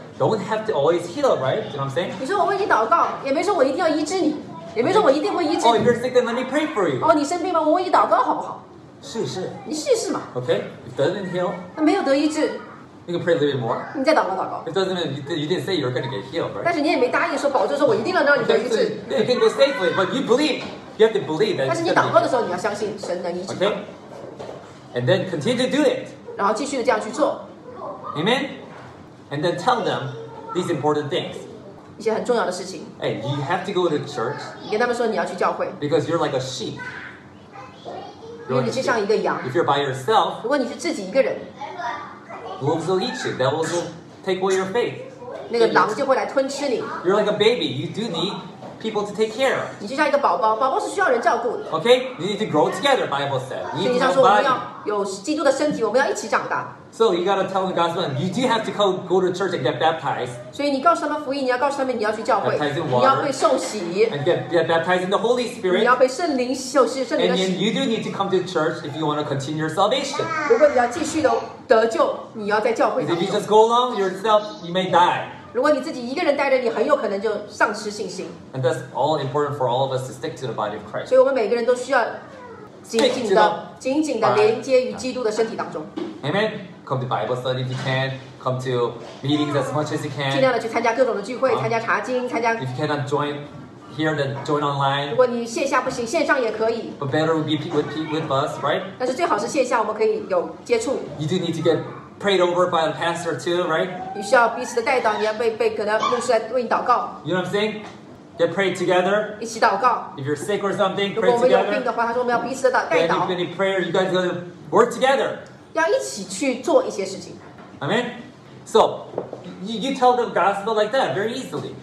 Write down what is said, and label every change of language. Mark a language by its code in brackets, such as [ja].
[en] Don't have to always heal, right? You know what I'm saying? [zh] 你说我为你祷告，也没说我一定要医治你，也没说我一定会医治你。 [en] Oh, you're sick, then let me pray for you. [zh] 哦、oh, ，你生病吗？我为你祷告，好不好？试一试。你试一试嘛。 [en] Okay. If doesn't heal, [zh] 那没有得医治。 [en] You can pray a little bit more. [zh] 你再祷告祷告。 [en] If doesn't mean you didn't say you're going to get healed, right? [zh] 但是你也没答应说保证说我一定能让你得医治。 [en] You can go safely, but you believe. You have to believe that. [zh] 但是你祷告的时候，你要相信神能医治。 [en] Okay. And then continue to do it. [zh] 然后继续的这样去做。 [en] Amen. And then tell them these important things. [zh] 一些很重要的事情 [en] Hey, you have to go to church. [zh] 你跟他们说你要去教会 [en] Because you're like a sheep. [zh] 因为你就像一个羊 [en] If you're by yourself, [zh] 如果你是自己一个人 [en] Wolves will eat you. Devils will take away your faith. [zh] 那个狼就会来吞吃你 [en] You're like a baby. You do need people to take care of. [zh] 你就像一个宝宝，宝宝是需要人照顾的 [en] Okay, you need to grow together. Bible said. [zh] 圣经上说，我们要有基督的身体，我们要一起长大。 [en] So you gotta tell the gospel. You do have to go to church and get baptized. [zh] 所以你告诉他们福音，你要告诉他们你要去教会，你要被受洗。 [en] And get baptized in the Holy Spirit. [zh] 你要被圣灵受洗，圣灵的洗。 [en] And then you do need to come to church if you want to continue your salvation. [zh] 如果你要继续的得救，你要在教会。 [en] If you just go along yourself, you may die. [zh] 如果你自己一个人待着，你很有可能就丧失信心。 [en] And that's all important for all of us to stick to the body of Christ. [zh] 所以我们每个人都需要紧紧的连接于基督的身体当中。 [en] Amen. Come to Bible study if you can. Come to meetings as much as you can. [zh] 尽量的去参加各种的聚会，参加查经，参加。 [en] If you cannot join here, then join online. [zh] 如果你线下不行，线上也可以。 [en] But better would be with us, right? [zh] 但是最好是线下，我们可以有接触。 [en] You do need to get prayed over by the pastor too, right? [zh] 你需要彼此的带导，你要被可能牧师来为你祷告。 [en] You know what I'm saying? Get prayed together. [zh] 一起祷告。 [en] If you're sick or something, pray together. [zh] 如果我们有病的话，他说我们要彼此的带导。 [en] Then if you need prayer, you guys are gonna work together. [zh] 要一起去做一些事情。 [en] Amen. So, you tell them gospel like that very easily.